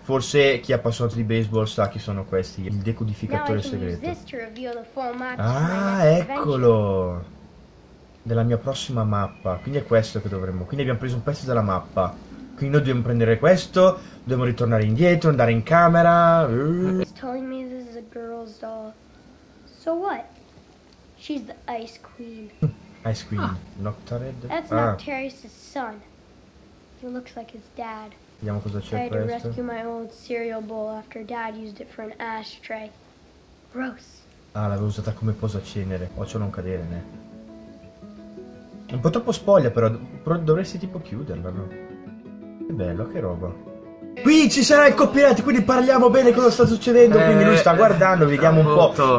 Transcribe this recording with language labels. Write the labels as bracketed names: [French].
[Italian] Forse chi ha passato di baseball sa chi sono questi. Il decodificatore segreto. Ah, eccolo! Della mia prossima mappa. Quindi è questo che dovremmo. Quindi abbiamo preso un pezzo della mappa. Quindi noi dobbiamo prendere questo. Dobbiamo ritornare indietro, andare in camera. [English] He's telling me this is a girl's doll. So what? She's the ice queen. Ice queen. Ah. Noctared. That's Noctarius's son. He looks like his dad. [Italian] Vediamo cosa c'è questo. [English] I tried to rescue my old cereal bowl after dad used it for an ashtray. Gross. [Italian] Ah, l'avevo usata come posa cenere. Occhio a non cadere, ne. Un po' troppo spoglia, però. Però dovresti tipo chiuderla, no? Che bello, che roba. Qui ci sarà il copyright, quindi parliamo bene cosa sta succedendo. Quindi lui sta guardando, vediamo un po'.